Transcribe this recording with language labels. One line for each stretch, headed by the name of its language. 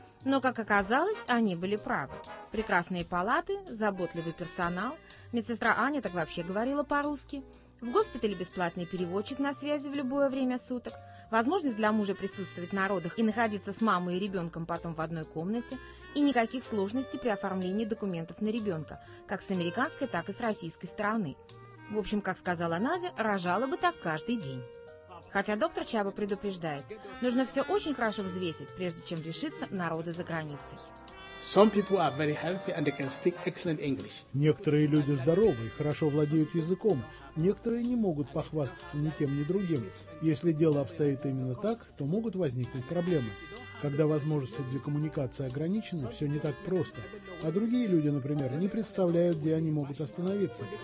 Russian: Но, как оказалось, они были правы. Прекрасные палаты, заботливый персонал, медсестра Аня так вообще говорила по-русски, в госпитале бесплатный переводчик на связи в любое время суток, возможность для мужа присутствовать на родах и находиться с мамой и ребенком потом в одной комнате, и никаких сложностей при оформлении документов на ребенка, как с американской, так и с российской стороны. В общем, как сказала Надя, рожала бы так каждый день. Хотя доктор Чаба предупреждает, нужно все очень хорошо взвесить, прежде чем решиться на роды за границей.
English: Some people are very healthy and they can speak excellent English.
Russian: Некоторые люди здоровы, хорошо владеют языком. Некоторые не могут похвастаться ни тем, ни другим. Если дело обстоит именно так, то могут возникнуть проблемы. Когда возможности для коммуникации ограничены, все не так просто. А другие люди, например, не представляют, где они могут остановиться.